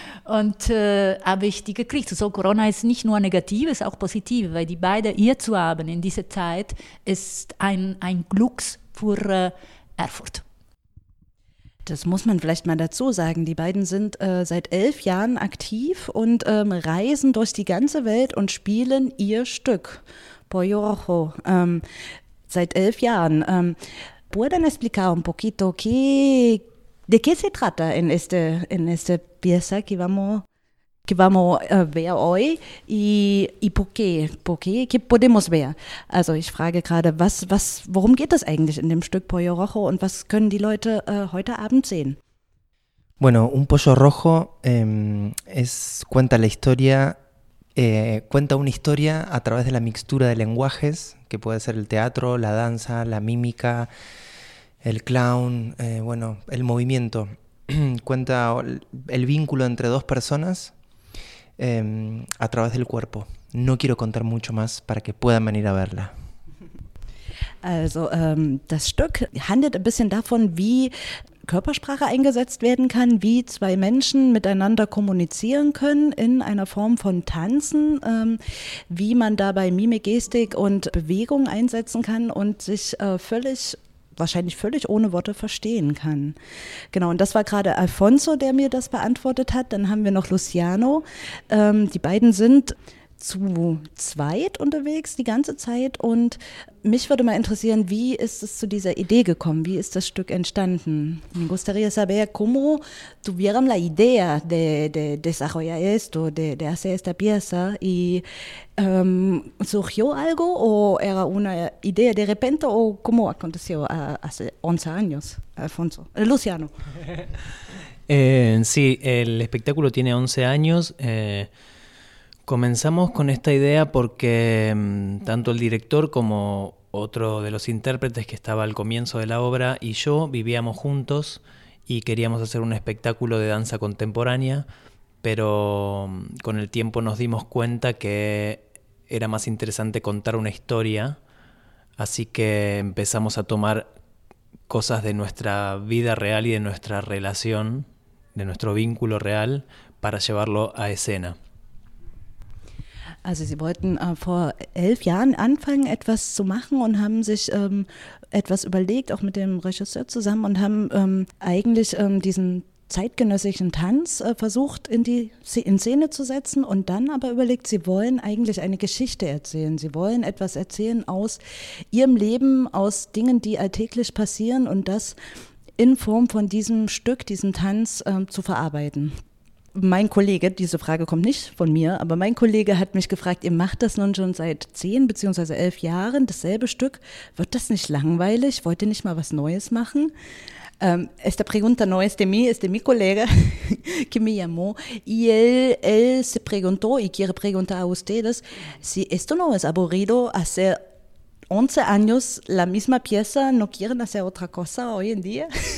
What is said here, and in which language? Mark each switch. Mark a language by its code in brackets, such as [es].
[de] Und habe ich die gekriegt. So, Corona ist nicht nur negativ, ist auch positiv, weil die beiden hier zu haben in dieser Zeit ist ein Glücks für Erfurt. Das muss man vielleicht mal dazu sagen. Die beiden sind seit 11 Jahren aktiv und reisen durch die ganze Welt und spielen ihr Stück. Pollo Rojo. Seit 11 Jahren. [es] ¿Pueden explicar un poquito qué? ¿De qué se trata en este pieza que vamos a ver hoy y por qué? ¿Qué podemos ver? [de] Also ich frage gerade, worum geht es eigentlich in dem Stück Pollo Rojo und was können die Leute heute Abend sehen? [es] Bueno, un pollo rojo cuenta una historia a través de la mixtura de lenguajes, que puede ser el teatro, la danza, la mímica, el clown, el movimiento. Cuenta el vínculo entre dos personas a través del cuerpo. No quiero contar mucho más para que puedan venir a verla. [de] Also, das Stück handelt ein bisschen davon, wie Körpersprache eingesetzt werden kann, wie zwei Menschen miteinander kommunizieren können in einer Form von Tanzen, wie man dabei Mimik, Gestik und Bewegung einsetzen kann und sich wahrscheinlich völlig ohne Worte verstehen kann. Genau, und das war gerade Alfonso, der mir das beantwortet hat. Dann haben wir noch Luciano. Die beiden sind zu zweit unterwegs die ganze Zeit. Und mich würde mal interessieren, wie ist es zu dieser Idee gekommen? Wie ist das Stück entstanden? [es] Me gustaría saber cómo tuvieron la idea de desarrollar esto, de hacer esta pieza. Y surgió algo o era una idea de repente o cómo aconteció hace 11 años, Alfonso? Luciano. sí, el espectáculo tiene 11 años. Comenzamos con esta idea porque tanto el director como otro de los intérpretes que estaba al comienzo de la obra y yo vivíamos juntos y queríamos hacer un espectáculo de danza contemporánea, pero con el tiempo nos dimos cuenta que era más interesante contar una historia, así que empezamos a tomar cosas de nuestra vida real y de nuestra relación, de nuestro vínculo real, para llevarlo a escena. [de] Also sie wollten vor 11 Jahren anfangen, etwas zu machen und haben sich etwas überlegt, auch mit dem Regisseur zusammen, und haben eigentlich diesen zeitgenössischen Tanz versucht in Szene zu setzen und dann aber überlegt, sie wollen eigentlich eine Geschichte erzählen. Sie wollen etwas erzählen aus ihrem Leben, aus Dingen, die alltäglich passieren, und das in Form von diesem Stück, diesem Tanz zu verarbeiten. Mein Kollege, diese Frage kommt nicht von mir, aber mein Kollege hat mich gefragt, ihr macht das nun schon seit 10 bzw. 11 Jahren, dasselbe Stück. Wird das nicht langweilig? Wollt ihr nicht mal was Neues machen? [es] Esta pregunta no es de mí, es de mi colega que me llamó. Y él se preguntó y quiere preguntar a ustedes si esto no es aburrido hacer 11 años la misma pieza, no quieren hacer otra cosa hoy en día.